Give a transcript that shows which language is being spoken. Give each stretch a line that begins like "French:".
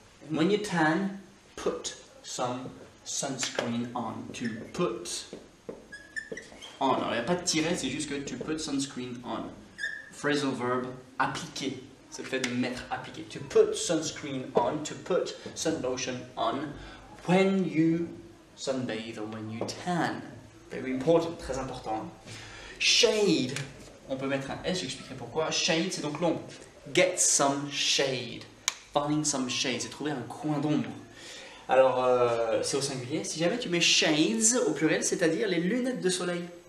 English: When you tan, put some sunscreen on, tu put. On.
French: Alors, il n'y a pas de tiret, c'est juste que tu
English: put sunscreen on.
French: Phrasal verb, appliquer. C'est le fait de mettre, appliquer.
English: To put sunscreen on, to put sun lotion on when you sunbathe or when you tan. Very important,
French: très important. Shade, on peut mettre un S, j'expliquerai pourquoi. Shade, c'est donc l'ombre.
English: Get some shade. Finding some shade,
French: c'est trouver un coin d'ombre. Alors, c'est au singulier. Si jamais tu mets shades au pluriel, c'est-à-dire les lunettes de soleil.